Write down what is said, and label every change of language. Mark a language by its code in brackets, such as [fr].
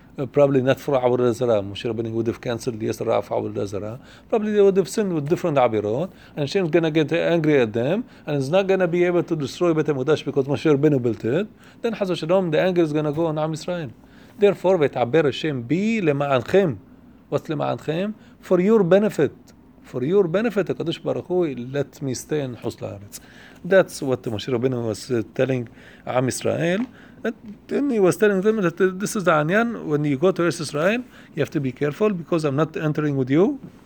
[en] Probably not for Avodah Zarah. Moshe Rabbeinu would have canceled Yisra for Avodah Zarah. Probably they would have sinned with different Abirot. And Hashem is going to get angry at them. And he's not going to be able to destroy Beit HaMikdash because Moshe Rabbeinu built it. Then Chas V'Shalom, the anger is going to go on Am Israel. Therefore, [he] ויתעבר השם בי למענכם. [en] What's למענכם? For your benefit. For your benefit, הקדוש ברוך הוא, let me stay in חוץ לארץ. That's what Moshe Rabbeinu was telling עם ישראל. And he was telling them that this is the עניין. When you go to Israel, you have to be careful because I'm not entering with you.